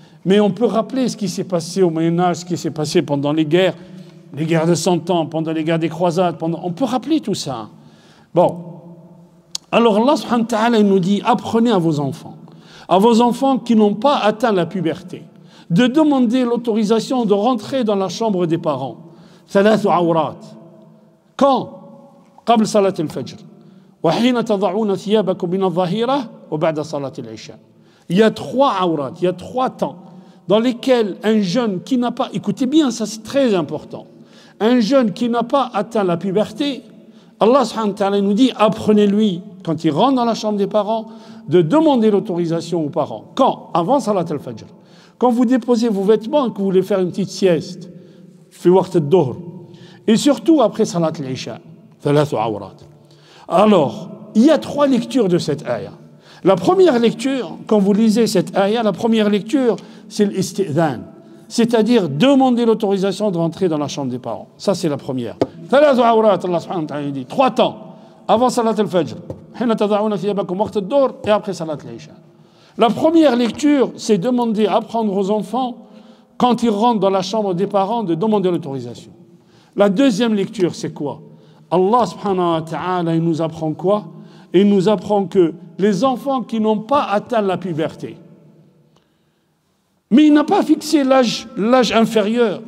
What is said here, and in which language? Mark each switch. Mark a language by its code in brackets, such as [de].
[fr] Mais on peut rappeler ce qui s'est passé au Moyen-Âge, ce qui s'est passé pendant les guerres de 100 ans, pendant les guerres des croisades, on peut rappeler tout ça. Bon. Alors Allah subhanahu wa ta'ala nous dit, apprenez à vos enfants qui n'ont pas atteint la puberté, de demander l'autorisation de rentrer dans la chambre des parents. [ar] Thalathu awrat. [fr] Quand ? [ar] قبل صلاة الفجر، وحين تضعون ثيابكم من الظهيرة وبعد صلاة العشاء. [fr] Il y a trois aurat, il y a trois temps dans lesquels un jeune qui n'a pas, écoutez bien, ça c'est très important, un jeune qui n'a pas atteint la puberté, Allah subhanahu wa ta'ala nous dit, apprenez-lui, quand il rentre dans la chambre des parents, de demander l'autorisation aux parents. Quand ? Avant salat al-fajr. Quand vous déposez vos vêtements et que vous voulez faire une petite sieste, [ar] fi waqt ad-dhuhr. [fr] Et surtout après salat al-isha, [ar] thalathu awrat. [fr] Alors, il y a trois lectures de cette aya. La première lecture, quand vous lisez cette aya, la première lecture, c'est l'isti'dhan. C'est-à-dire demander l'autorisation de rentrer dans la chambre des parents. Ça, c'est la première. [ar] Thalathu awrat, [fr] Allah subhanahu wa ta'ala dit. Trois temps. Avant salat al-fajr. [ar] حين تضعون ثيابكم وقت الظهر [fr] et après [ar] salat al-isha. [fr] La première lecture, c'est demander, apprendre aux enfants, quand ils rentrent dans la chambre des parents, de demander l'autorisation. La deuxième lecture, c'est quoi ? Allah subhanahu wa ta'ala, il nous apprend quoi ? Il nous apprend que les enfants qui n'ont pas atteint la puberté, mais il n'a pas fixé l'âge inférieur.